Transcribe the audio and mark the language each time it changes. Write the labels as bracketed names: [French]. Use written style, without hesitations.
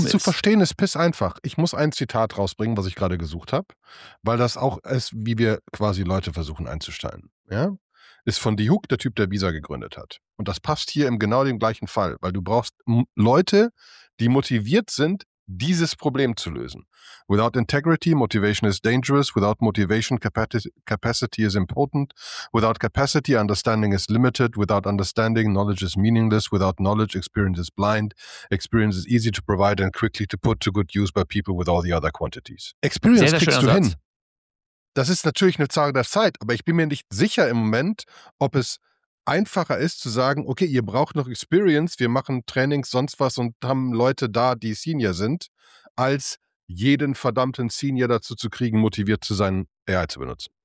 [German] Aber das zu verstehen ist piss einfach. Ich muss ein Zitat rausbringen, was ich gerade gesucht habe, weil das auch ist, wie wir quasi Leute versuchen einzustellen. Ja? Ist von Dihuk, der Typ, der Visa gegründet hat. Und das passt hier im genau dem gleichen Fall, weil du brauchst Leute, die motiviert sind, dieses Problem zu lösen. [English] Without integrity, motivation is dangerous. Without motivation, capacity is important. Without capacity, understanding is limited. Without understanding, knowledge is meaningless. Without knowledge, experience is blind. Experience is easy to provide and quickly to put to good use by people with all the other quantities. [German] Experience kriegst du hin. Das ist natürlich eine Frage der Zeit, aber ich bin mir nicht sicher im Moment, ob es einfacher ist zu sagen, okay, ihr braucht noch Experience, wir machen Trainings, sonst was und haben Leute da, die Senior sind, als jeden verdammten Senior dazu zu kriegen, motiviert zu sein, AI zu benutzen.